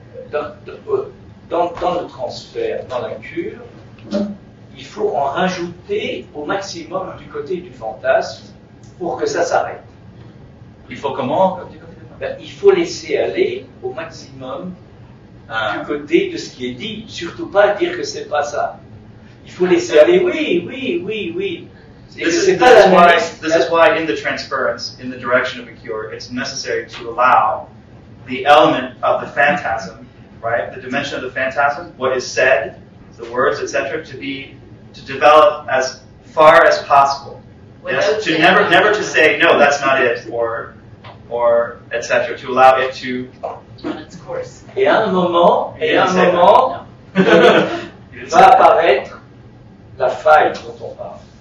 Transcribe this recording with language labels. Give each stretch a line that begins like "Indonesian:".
French: Dans le transfert, dans la cure, il faut en rajouter au maximum du côté du fantasme pour que ça s'arrête. Il faut comment? Ben, il faut laisser aller au maximum du côté de ce qui est dit. Surtout pas dire que c'est pas ça. Il faut laisser aller. Oui.
English: This is why in the transference, in the direction of a cure, it's necessary to allow the element of the phantasm, right? The dimension of the phantasm, what is said, the words, etc., to develop as far as possible. Yes? To never to say, no, that's not it, or etc., to allow it to run its course.
French: Et un moment, va apparaître la faille dont on parle.